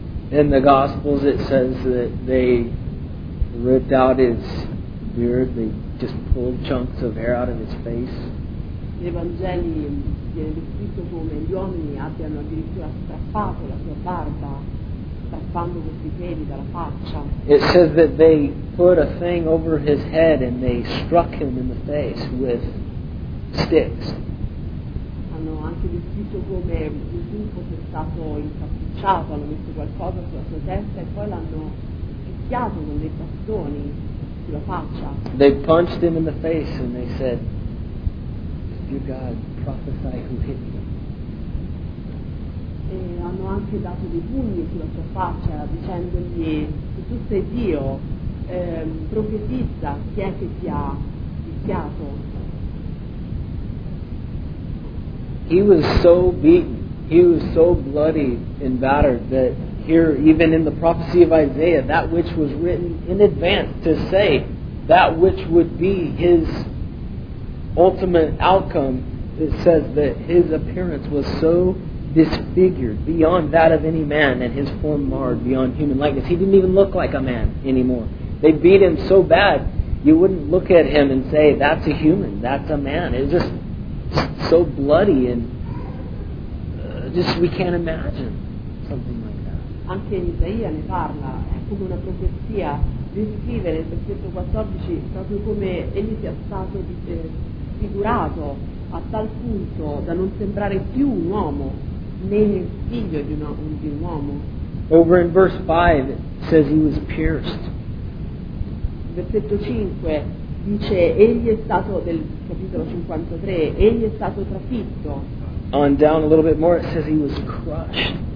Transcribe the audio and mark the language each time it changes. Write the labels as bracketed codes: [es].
[en] In the Gospels it says that they ripped out his beard, they just pulled chunks of hair out of his face. [it] Gli Evangeli viene descritto come gli uomini abbiano addirittura strappato la sua barba, strappando questi peli dalla faccia. [en] It says that they put a thing over his head and they struck him in the face with sticks. [it] Hanno anche descritto come Gesù fosse stato incappucciato, hanno messo qualcosa sulla sua testa e poi l'hanno picchiato con dei bastoni sulla faccia. [en] They punched him in the face and they said, "Dear God, prophesy who hit you." [it] E hanno anche dato dei pugni sulla sua faccia dicendogli, "Se tu sei Dio, profetizza chi è che ti ha picchiato." [en] He was so beaten, he was so bloody and battered that here, even in the prophecy of Isaiah, that which was written in advance to say that which would be his ultimate outcome, it says that his appearance was so disfigured beyond that of any man and his form marred beyond human likeness. He didn't even look like a man anymore. They beat him so bad, you wouldn't look at him and say, "That's a human, that's a man." It was just so bloody and just we can't imagine something like that. [it] Anche Isaia ne parla, è come una profezia, descrive nel versetto 14 proprio come egli sia stato figurato a tal punto da non sembrare più un uomo né il figlio di un uomo. [en] Over in verse 5 it says he was pierced. [it] Versetto 5 dice egli è stato, del capitolo 53, egli è stato trafitto. [en] On down a little bit more it says he was crushed.